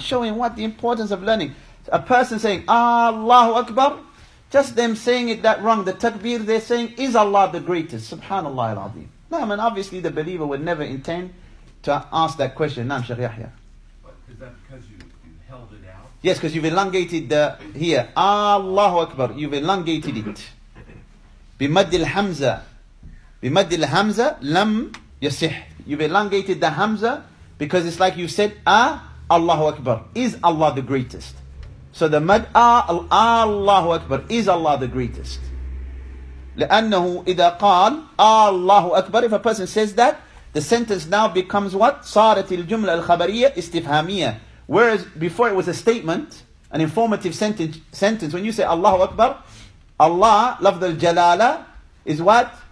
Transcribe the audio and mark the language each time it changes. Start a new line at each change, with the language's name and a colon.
English: Showing what the importance of learning. A person saying, Allahu Akbar, just them saying it that wrong, the takbir they're saying, is Allah the greatest? Subhanallah al-Azim. No, I mean, obviously the believer would never intend to ask that question. Naam, Shaykh Yahya. But is that because you held it out? Yes, because you've elongated the, here, Allahu Akbar, you've elongated it.
Arabic: بمد الحمزة بمد الحمزة لم يصح.
English: You've elongated the hamza because it's like you said ah Allahu Akbar. Is Allah the greatest? So the mad ah Allahu Akbar. Is Allah the greatest?
Arabic: لأنه إذا قال الله أكبر,
English: if a person says that, the sentence now becomes what?
Arabic: صارت الجملة الخبرية استفهامية.
English: Whereas before it was a statement, an informative sentence. When you say Allahu Akbar, Allah, لفظ الجلالة is what?